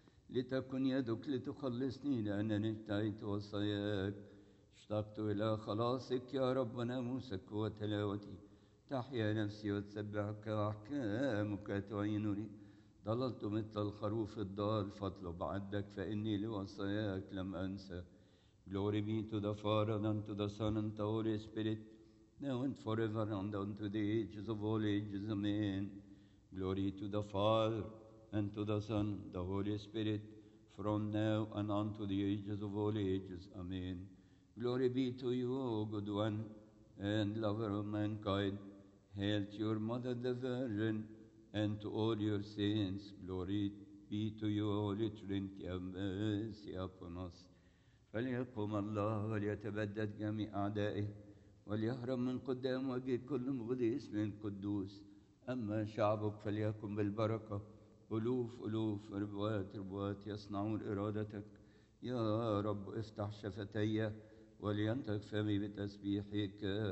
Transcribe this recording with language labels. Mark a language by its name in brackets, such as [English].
[Arabic] لتكن يدك لتخلصني لأنني اجتهدت وصاياك اشتقت إلى خلاصك يا رب ناموسك وتلاوتي تحيا نفسي وتسبحك أحكامك تعينني ضللت مثل الخروف الضال فاطلب عدك فإني لوصاياك لم أنسى [English] Glory be to the Father, and to the Son, and to the Holy Spirit, now and forever, and unto the ages of all ages. Amen. Glory to the Father, and to the Son, the Holy Spirit, from now and unto the ages of all ages. Amen. Glory be to you, O good one, and lover of mankind. Hail to your mother, the Virgin, and to all your saints. Glory be to you, O Holy Trinity, have mercy upon us. [Arabic] فليقوم الله وليتبدد جميع أعدائه وليهرب من قدام وجه كل مغضي اسم القدوس أما شعبك فليكن بالبركة ألوف ألوف ربوات ربوات يصنعون إرادتك يا رب افتح شفتي ولينطق فمي بتسبيحك